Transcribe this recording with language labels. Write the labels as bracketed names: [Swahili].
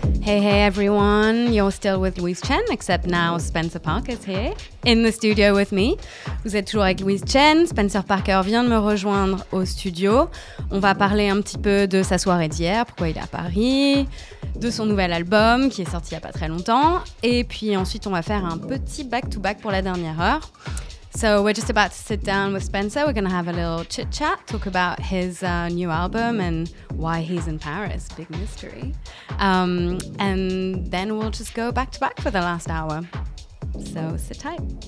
[English] Hey everyone, you're still with Louise Chen, except now Spencer Parker is here in the studio with me. [French] Vous êtes toujours avec Louise Chen, Spencer Parker vient de me rejoindre au studio. On va parler un petit peu de sa soirée d'hier, pourquoi il est à Paris, de son nouvel album qui est sorti il n'y a pas très longtemps. Et puis ensuite on va faire un petit back-to-back pour la dernière heure. [English] So we're just about to sit down with Spencer, we're going to have a little chit-chat, talk about his new album and why he's in Paris, big mystery. And then we'll just go back-to-back for the last hour. So sit tight.